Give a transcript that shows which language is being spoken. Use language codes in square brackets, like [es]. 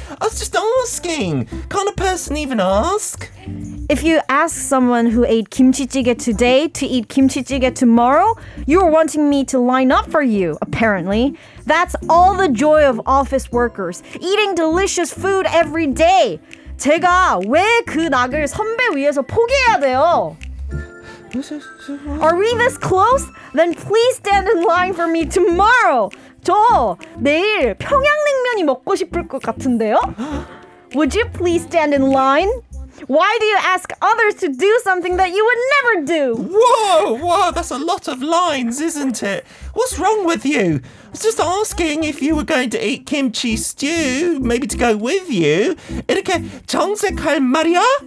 [en] I was just asking. Can't a person even ask? If you ask someone who ate kimchi jjigae today to eat kimchi jjigae tomorrow, you're wanting me to line up for you, apparently. That's all the joy of office workers, eating delicious food every day. [ko] 제가 왜 그 낙을 선배 위해서 포기해야 돼요? [en] Are we this close? Then please stand in line for me tomorrow. [ko] 저 내일 평양냉면이 먹고 싶을 것 같은데요? [en] Would you please stand in line? Why do you ask others to do something that you would never do? Whoa, that's a lot of lines, isn't it? What's wrong with you? I was just asking if you were going to eat kimchi stew, maybe to go with you. [ko] 이렇게 정색할 말이야?